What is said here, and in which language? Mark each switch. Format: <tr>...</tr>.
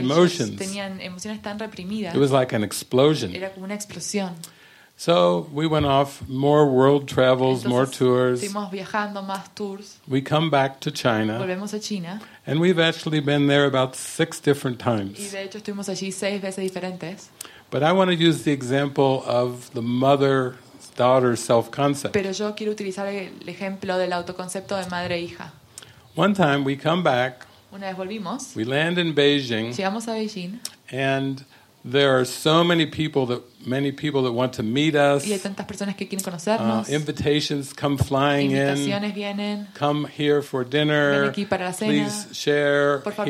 <en>emotions.</en> <es>Tenían emociones tan reprimidas.</es> <en>It was like an explosion.</en> <es>Era como una explosión.</es> <en>So we went off more world travels,</en> <es>Entonces,</es> <en>more tours.</en> <es>Seguimos viajando, más tours.</es> <en>We come back to China.</en> <es>Volvemos a China.</es> <en>And we've actually been there about six different times.</en> <es>Y de hecho, estuvimos allí seis veces diferentes.</es> <en>But I want to use the example of the mother-daughter self-concept.</en> <es>Pero yo quiero utilizar el ejemplo del autoconcepto de madre-hija.</es> <en>One time we come back.</en> <es>Una vez volvimos.</es> <en>We land in Beijing.</en> <es>Llegamos a Beijing.</es> <en>And there are so many people that want to meet us.</en> <es>Y hay tantas personas que quieren conocernos.</es> <en>Invitations come flying in.</en> <es>Invitaciones vienen.</es> <en>Come here for dinner.</en> <es>Ven aquí para la cena.</es> <en>Please share</en> <es>Por favor,</es>